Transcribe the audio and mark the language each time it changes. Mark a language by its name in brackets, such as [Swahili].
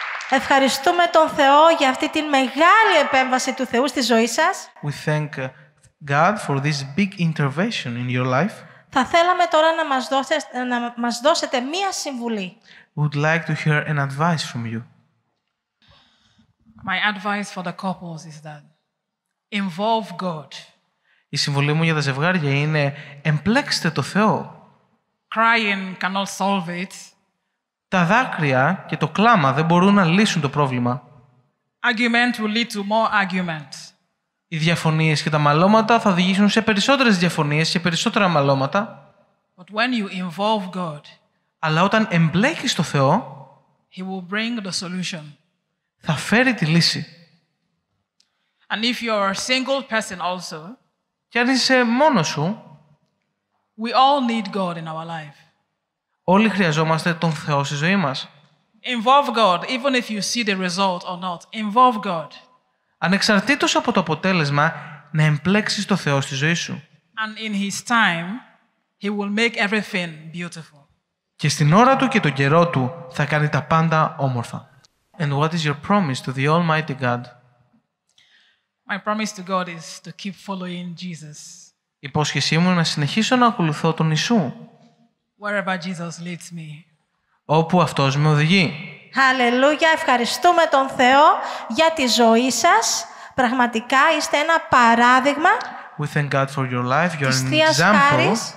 [Greek] Ευχαριστούμε τον Θεό για αυτή τη μεγάλη επέμβαση του Θεού στη ζωή σας. [English] We thank God for this big intervention in your life. [Greek] Θα θέλαμε τώρα να μας δώσετε μία συμβουλή. [English] Would like to hear an advice from you. My advice for the couples is that involve God. [Greek] Η συμβουλή μου για τα ζευγάρια είναι εμπλέξτε το Θεό. [English] Crying cannot solve it. [Greek] Τα δάκρυα και το κλάμα δεν μπορούν να λύσουν το πρόβλημα. [English] Argument will lead to more arguments. [Greek] Οι διαφωνίες και τα μαλώματα θα οδηγήσουν σε περισσότερες διαφωνίες και περισσότερα μαλώματα. [English] But when you involve God, [Greek] αλλά όταν εμπλέκεις το Θεό, [English] He will bring the solution. [Greek] Θα φέρει τη λύση. [English] And if you are a single person also, [Greek] και αν είσαι μόνος σου, [English] we all need God in our life. [Greek] Όλοι χρειαζόμαστε τον Θεό στη ζωή μας. [English] Involve God, even if you see the result or not. Involve God. [Greek] Ανεξαρτήτως από το αποτέλεσμα, να εμπλέξεις το Θεό στη ζωή σου. [English] And in His time, He will make everything beautiful. [Greek] Και στην ώρα Του και τον καιρό Του, θα κάνει τα πάντα όμορφα. [English] And what is your promise to the Almighty God? My promise to God is to keep following Jesus. [Greek] Υπόσχεσή μου να συνεχίσω να ακολουθώ τον Ιησού. [English] Wherever Jesus leads me. [Greek] Όπου αυτός με οδηγεί. [English] Hallelujah! [Greek] Ευχαριστούμε τον Θεό για τη ζωή σας. Πραγματικά είστε ένα παράδειγμα. [English] We thank God for your life. You're an example